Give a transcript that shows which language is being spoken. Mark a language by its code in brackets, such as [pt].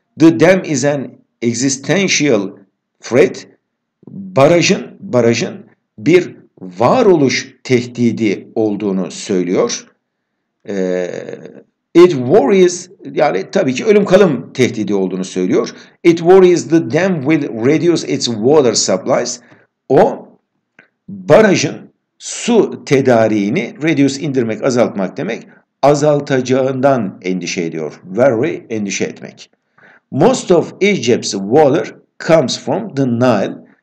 [en] The dam is an existential threat. [tr] Barajın bir varoluş tehdidi olduğunu söylüyor. [en] It worries, [tr] yani tabii ki ölüm kalım tehdidi olduğunu söylüyor. [en] It worries the dam will reduce its water supplies. [tr] O barajın su tedariğini, reduce indirmek, azaltmak demek, azaltacağından endişe ediyor. Very, endişe etmek. [en] Most of Egypt's water comes from the Nile.